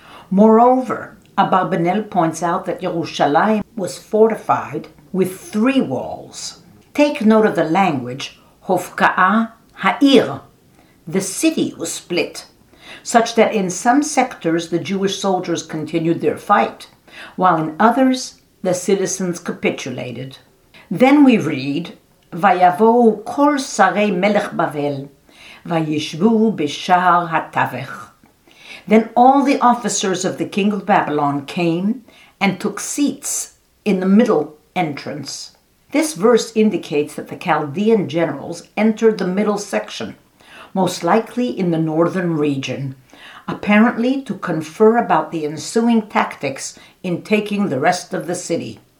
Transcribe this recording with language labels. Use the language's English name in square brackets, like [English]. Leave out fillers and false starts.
[English] Moreover, Abarbanel points out that Yerushalayim was fortified with three walls. Take note of the language, Hofka'a Ha'ir, the city was split, such that in some sectors the Jewish soldiers continued their fight, while in others the citizens capitulated. [Hebrew] Then we read, ויבואו כל שרי מלך בבל, וישבו בשער התווך. [English] Then all the officers of the king of Babylon came and took seats in the middle entrance. This verse indicates that the Chaldean generals entered the middle section, most likely in the northern region, apparently to confer about the ensuing tactics in taking the rest of the city.